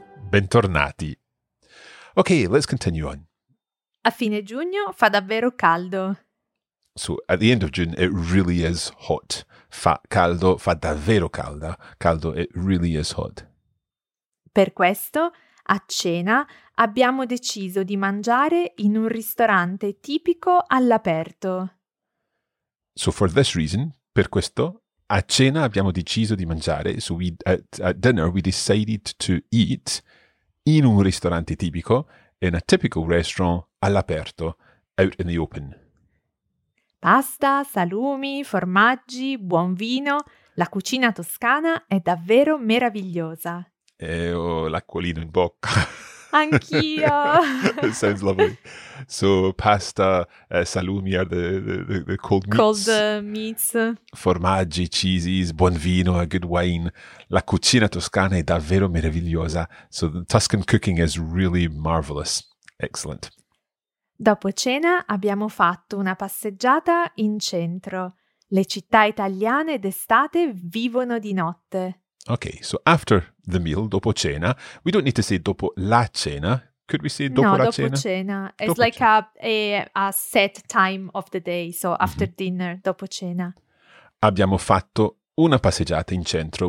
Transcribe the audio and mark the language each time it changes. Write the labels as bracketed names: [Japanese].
[English] Bentornati. Ok, let's continue on. [Italian] A fine giugno fa davvero caldo. [English] So, at the end of June, it really is hot. [Italian] Fa caldo, fa davvero calda. Caldo, [English] it really is hot. [Italian] Per questo, a cena, abbiamo deciso di mangiare in un ristorante tipico all'aperto. [English] So, for this reason, [Italian] per questo, a cena abbiamo deciso di mangiare. [English] So, at dinner, we decided to eat [Italian] in un ristorante tipico, [English] in a typical restaurant, all'aperto, out in the open. [Italian] Pasta, salumi, formaggi, buon vino, la cucina toscana è davvero meravigliosa. E ho l'acquolino in bocca. Anch'io! [English] It sounds lovely. So, pasta, salumi are the cold meats. Cold meats. [Italian] Formaggi, cheeses, buon vino, [English] a good wine. [Italian] La cucina toscana è davvero meravigliosa. [English] So, the Tuscan cooking is really marvelous. Excellent. [Italian] Dopo cena abbiamo fatto una passeggiata in centro. Le città italiane d'estate vivono di notte. [English] Okay, so after the meal, dopo cena, we don't need to say [Italian] dopo la cena. [English] Could we say [Italian] dopo la cena? [English] No, dopo cena. It's dopo like cena. A set time of the day, so after dinner, dopo cena. [Italian] Abbiamo fatto una passeggiata in centro.